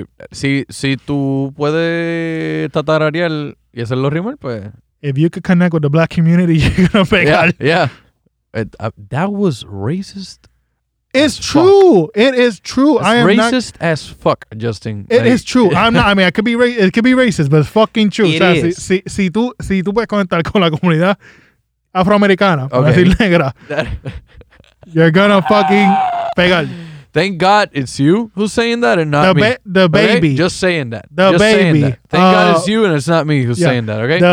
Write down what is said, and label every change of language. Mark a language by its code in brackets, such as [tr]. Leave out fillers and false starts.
[es] Si tú puedes tatararear y hacer los rimas, pues... [en] If you could connect with the black community, you're gonna pegar. That was racist. It's true. It is true. It's racist as fuck, Justin. It is true. I'm not. I mean, it could be racist, but it's fucking true. [es] Si tú puedes conectar con la comunidad afroamericana, para decir negra, [en] you're gonna fucking [es] pegar. [en] Thank God it's you who's saying that and not me. The baby. Okay? Just saying that. Thank God it's you and it's not me who's saying that, okay?